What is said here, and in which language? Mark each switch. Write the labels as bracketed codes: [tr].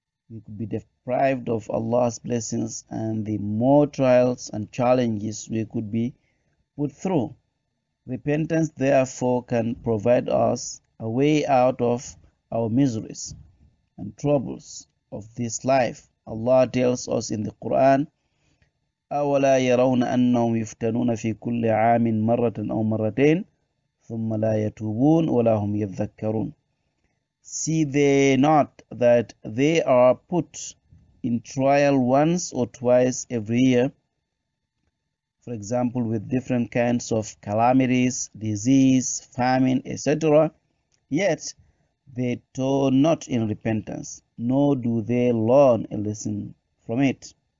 [en] We could be deprived of Allah's blessings, and the more trials and challenges we could be put through. Repentance, therefore, can provide us a way out of our miseries and troubles of this life. Allah tells us in the Quran, [ar] أَوَلَا يَرَوْنَ أَنَّهُمْ يُفْتَنُونَ فِي كُلِّ عَامٍ مَرَّةً أَوْ مَرَّتَيْنِ ثُمَّ لَا يَتُوبُونَ وَلَا هُمْ يَذَّكَّرُونَ. [en] See they not that they are put in trial once or twice every year, for example, with different kinds of calamities, disease, famine, etc., yet they turn not in repentance, nor do they learn a lesson from it.